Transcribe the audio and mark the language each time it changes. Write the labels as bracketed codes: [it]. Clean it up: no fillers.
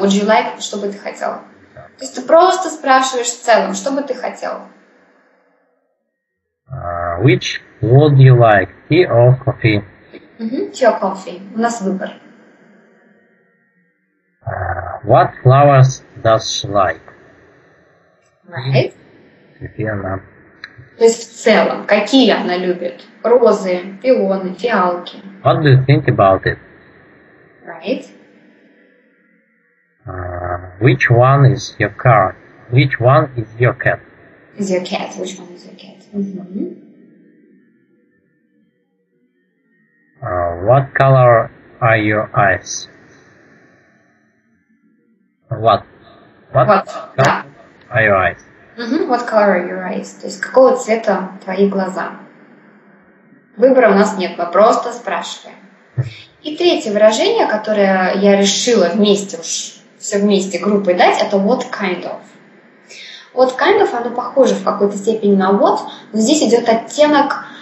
[en] Would you like, [ru] что бы ты хотел? [en] Yeah. [ru] То есть ты просто спрашиваешь в целом, что бы ты хотел? [en] Which would you like, tea or coffee? Tea or coffee. [ru] У нас выбор. [en] What flowers does she like? Right. [ru] То есть в целом, какие она любит? Розы, пионы, фиалки. [en] What do you think about it? Right. Which one is your car? Which one is your cat? Is your cat. Which one is your cat? What color are your eyes? What color are your eyes? What color are your eyes? [ru] То есть какого цвета твои глаза? Выбора у нас нет, мы просто спрашиваем. И третье выражение, которое я решила вместе, уж все вместе группой дать, это what kind of. What kind of, оно похоже в какой-то степени на what, но здесь идет оттенок